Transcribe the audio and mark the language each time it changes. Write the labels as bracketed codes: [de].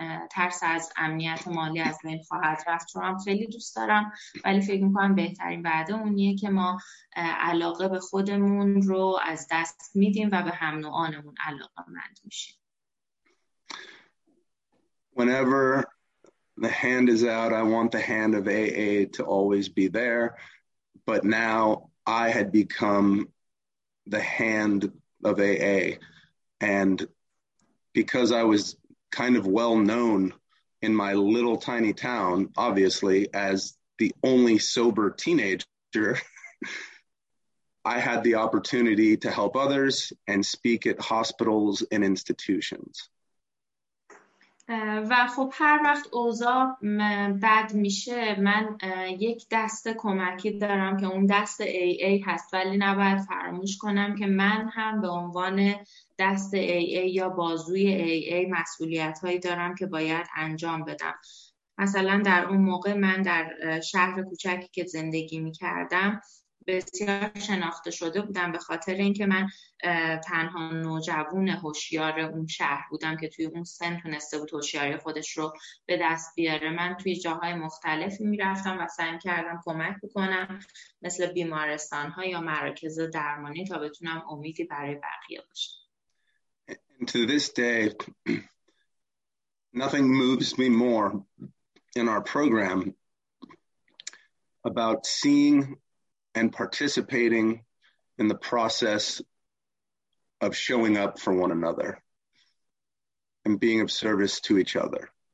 [fa] ترس از امنیت مالی از بین خواهد رفت رو هم خیلی دوست دارم، ولی فکر میکنم بهترین وعده اونیه که ما علاقه به خودمون رو از دست میدیم و به هم نوعانمون علاقه مند میشیم. [en] Whenever the hand is out, I want the hand of AA to always be there, but now I had become the hand of AA, and because I was kind of well known in my little tiny town, obviously, as the only sober teenager, after I had the opportunity to help others and speak at hospitals and institutions. [fa] و خب هر وقت اوضاع بد میشه من یک دست کمکی دارم که اون دست AA هست، ولی نباید فراموش کنم که من هم به عنوان دست AA یا بازوی AA مسئولیت هایی دارم که باید انجام بدم. مثلا در اون موقع من در شهر کوچکی که زندگی میکردم بسیار شناخته شده بودم به خاطر اینکه من تنها نوجوان هوشیار اون شهر بودم که توی اون سن تونسته بود هوشیاری خودش رو به دست بیاره. من توی جاهای مختلفی میرفتم و سعی کردم کمک بکنم، مثل بیمارستان‌ها یا مراکز درمانی، تا بتونم امیدی برای بقیه باشم. [en] And to this day, nothing moves me more in our program about seeing and participating in the process of showing up for one another and being of service to each other.